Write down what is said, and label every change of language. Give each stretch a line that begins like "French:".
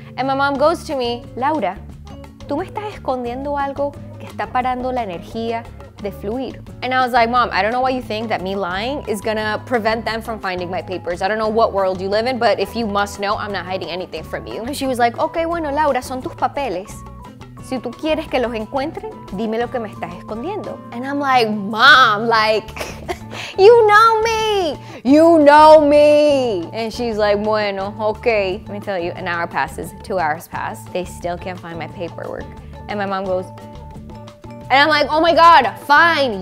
English: And my mom goes to me,
Spanish: Laura, tú me estás escondiendo algo que está parando la energía de fluir.
English: And I was like, Mom, I don't know why you think that me lying is gonna prevent them from finding my papers. I don't know what world you live in, but if you must know, I'm not hiding anything from you. And she was like, okay,
Spanish: bueno, Laura, son tus papeles. Si tú quieres que los encuentren, dime lo que me estás escondiendo.
English: And I'm like, Mom, like, you know me. You know me. And she's like, bueno, okay. Let me tell you, an hour passes, 2 hours pass. They still can't find my paperwork. And my mom goes, and I'm like, oh my God, fine.